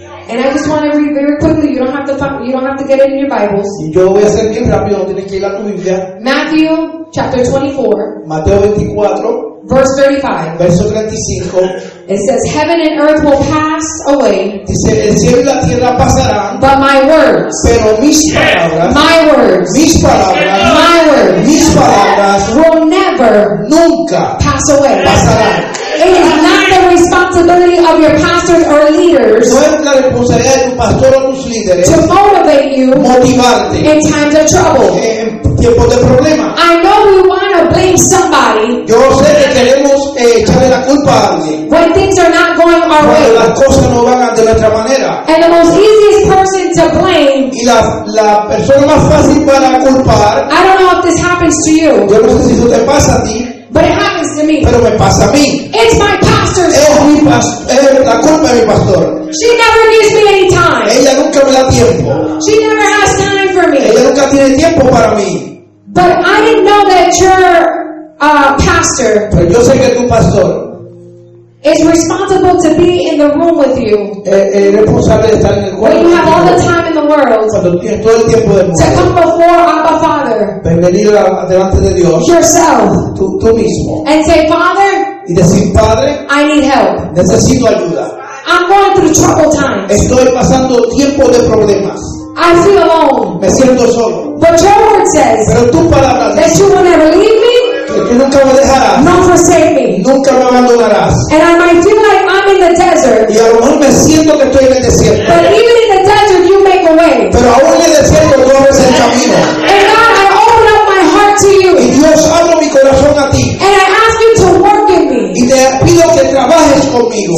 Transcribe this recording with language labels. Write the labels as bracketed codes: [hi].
[en] And I just want to read very quickly. You don't have to get it in your Bibles. [es] Yo voy a hacer bien rápido, tienes que ir a tu Biblia. [en] Matthew chapter 24. [es] Mateo 24. [en] Verse 35. [es] Verso 35. [en] It says, "Heaven and earth will pass away." [es] Dice, el cielo y la tierra pasarán. [en] But my words. [es] Pero mis palabras. [en] My words. [es] Mis palabras. [en] My words. [es] Mis palabras. [en] Will never. [es] Nunca. [en] Pass away. [es] Pasarán. [en] It is not the responsibility of your pastors or leaders. [es] No es la responsabilidad de tu pastor o tus líderes. [en] To motivate you. [es] Motivarte. [en] In times of trouble. [es] En tiempos de problema. [en] I know we want to blame somebody. [es] Yo sé que queremos echarle la culpa a alguien. [en] When things are not going our [es] cuando [en] way. [es] Las cosas no van de nuestra manera. [en] And the most easiest person to blame. [es] Y la persona más fácil para culpar. [en] I don't know if this happens to you. [es] Yo no sé si eso te pasa a ti. [en] But it happens to me. [es] Pero me pasa a mí. [en] It's my pastor's [es] la culpa de mi pastor. [en] She never gives me any time. [es] Ella nunca me da tiempo. [en] She never has time for me. [es] Ella nunca tiene tiempo para mí. [en] But I didn't know that your pastor. [es] Pero yo sé que tu pastor. [en] Is responsible to be in the room with you. [es] Responsable de estar en el cuerpo. [en] When you have all the time in the world. [es] Cuando tienes todo el tiempo del mundo. [en] To come before Abba Father. [es] Venir delante de Dios. [en] Yourself. [es] Tú mismo. [en] And say, Father. [es] Y decir, Padre. [en] I need help. [es] Necesito ayuda. [en] I'm going through troubled times. [es] Estoy pasando tiempo de problemas. [en] I feel alone. [es] Me siento solo. [en] But your word says. [es] Pero tu palabra dice. [en] That you will never leave me. [es] Que nunca me dejarás. [en] No forsake me. [es] Nunca me abandonarás. [en] And I might feel like I'm in the desert. [es] Y a lo mejor me siento que estoy en el desierto. [en] But even in the desert, you make a way. [es] Pero aún en el desierto tú abres el camino. [en] And God, I open up my heart to you. [es] Y Dios, abro mi corazón a ti. [en] And I ask you to work in me. [es] Y te pido que trabajes conmigo.